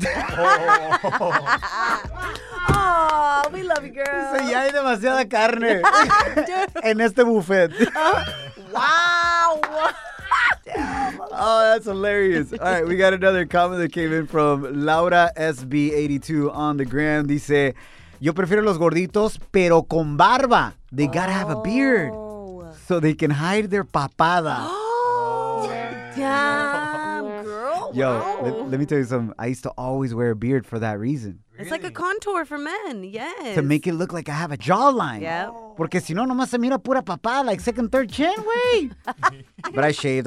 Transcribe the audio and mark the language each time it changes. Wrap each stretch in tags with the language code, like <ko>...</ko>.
<en>Oh. Oh, we love you, girl.</en> <es>Dice, ya hay demasiada carne en este buffet.</es> <en>Wow. Oh, that's hilarious. All right, we got another comment that came in from LauraSB82 on the gram.</en> <es>Dice, yo prefiero los gorditos, pero con barba.</es> <en>They gotta have a beard so they can hide their papada. Oh, damn, girl. Yo, wow. Let me tell you something. I used to always wear a beard for that reason. Really? It's like a contour for men, yes. To make it look like I have a jawline. Yeah.</en> <es>Porque si no, nomás se mira pura papada,</es> <en>like second, third chin,</en> <es>wey.</es> <en>But I shaved.</en>